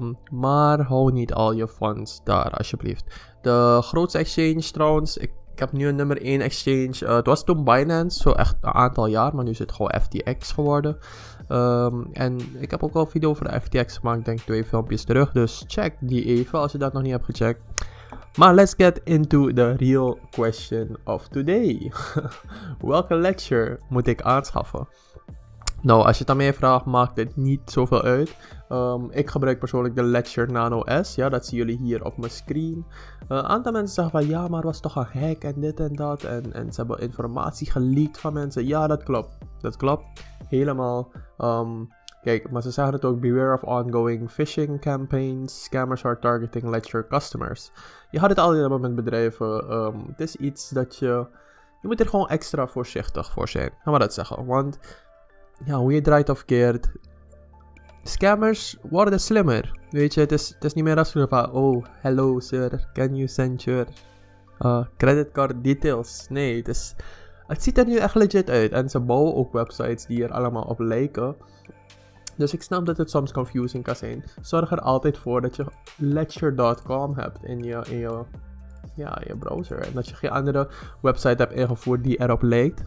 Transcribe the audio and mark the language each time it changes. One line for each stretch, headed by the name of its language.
Dutch: Maar hou niet al je funds daar alsjeblieft. De grootste exchange trouwens, ik heb nu een nummer 1 exchange. Het was toen Binance, zo echt een aantal jaar, maar nu is het gewoon FTX geworden. En ik heb ook al een video over de FTX gemaakt, denk 2 filmpjes terug. Dus check die even als je dat nog niet hebt gecheckt.
English: Maar let's get into the real question of today.
Dutch: Welke lecture moet ik aanschaffen? Nou, als je het aan mij vraagt, maakt het niet zoveel uit. Ik gebruik persoonlijk de Ledger Nano S. Ja, dat zien jullie hier op mijn screen. Een aantal mensen zeggen van, ja, maar was toch een hack en dit en dat. En ze hebben informatie geleakt van mensen. Ja, dat klopt. Dat klopt. Helemaal. Kijk, maar ze zeggen het ook,
English: beware of ongoing phishing campaigns. Scammers are targeting Ledger customers.
Dutch: Je had het altijd met bedrijven. Het is iets dat je... Je moet er gewoon extra voorzichtig voor zijn. Gaan we dat zeggen, want... Ja, hoe je draait of keert. Scammers worden slimmer. Weet je, het is niet meer als vroeger van...
English: Oh, hello sir, can you send your credit card details?
Dutch: Nee, het ziet er nu echt legit uit. En ze bouwen ook websites die er allemaal op lijken. Dus ik snap dat het soms confusing kan zijn. Zorg er altijd voor dat je ledger.com hebt in je browser. En dat je geen andere website hebt ingevoerd die erop lijkt.